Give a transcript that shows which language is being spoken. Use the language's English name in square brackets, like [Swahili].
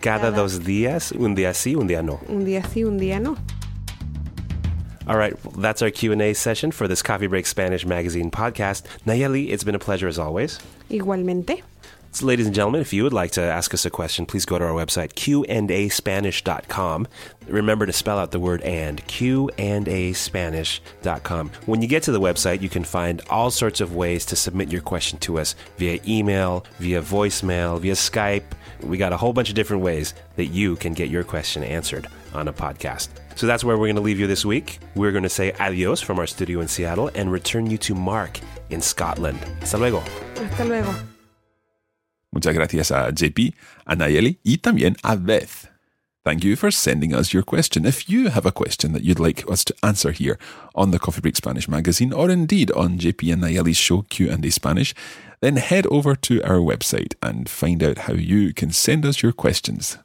[Spanish] Cada dos días, un día sí, un día no. Un día sí, un día no. [English] All right, well, that's our Q&A session for this Coffee Break Spanish Magazine podcast. Nayeli, it's been a pleasure as always. [Spanish] Igualmente. [English] So, ladies and gentlemen, if you would like to ask us a question, please go to our website, qandaspanish.com. Remember to spell out the word and, qandaspanish.com. When you get to the website, you can find all sorts of ways to submit your question to us via email, via voicemail, via Skype. We got a whole bunch of different ways that you can get your question answered on a podcast. So that's where we're going to leave you this week. We're going to say adios from our studio in Seattle and return you to Mark in Scotland. [Spanish] Hasta luego. Hasta luego. Muchas gracias a JP, a Nayeli y también a Beth. [English] Thank you for sending us your question. If you have a question that you'd like us to answer here on the Coffee Break Spanish magazine or indeed on JP and Nayeli's show Q&A Spanish, then head over to our website and find out how you can send us your questions.